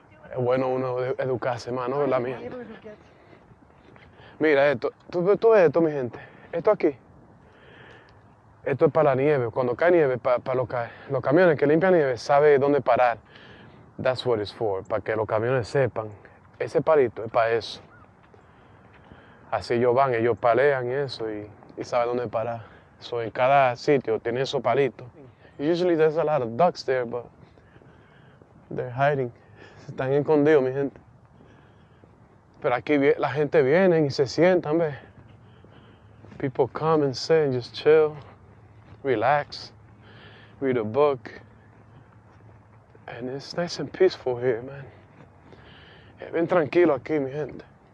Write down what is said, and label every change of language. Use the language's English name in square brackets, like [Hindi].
[Spanish] Es bueno uno educarse más, ¿no? La mía. Mira esto, ¿tú ves esto, mi gente? Esto aquí. Esto es para la nieve. Cuando cae nieve, para los camiones que limpian nieve, sabe dónde parar. [English] That's what it's for, [Spanish] para que los camiones sepan. Ese palito es para eso. Así ellos van, ellos palean y eso y sabe dónde parar. So en cada sitio tiene esos palitos. [English] Usually there's a lot of ducks there, but they're hiding. [Spanish] Están escondidos, mi gente. Pero aquí la gente viene y se sientan, ve. [English] People come and sit and just chill, relax, read a book. And it's nice and peaceful here, man. [Spanish] Es bien tranquilo aquí, mi gente.